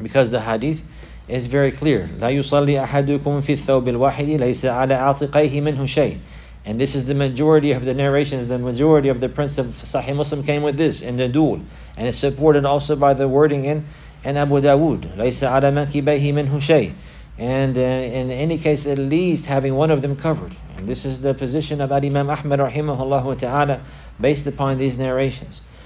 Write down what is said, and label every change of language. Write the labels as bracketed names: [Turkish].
[English] Because the hadith is very clear. [Arabic] لا يصلي أحدكم في الثوب الواحد ليس على عاتقيه منه شيء. [English] And this is the majority of the narrations, the majority of the prints of Sahih Muslim came with this in the dual. And it's supported also by the wording in Abu Dawood. [Arabic] ليس على منكبيه منه شيء. [English] And in any case, at least having one of them covered. And this is the position of Imam Ahmad rahimahullah ta'ala based upon these narrations.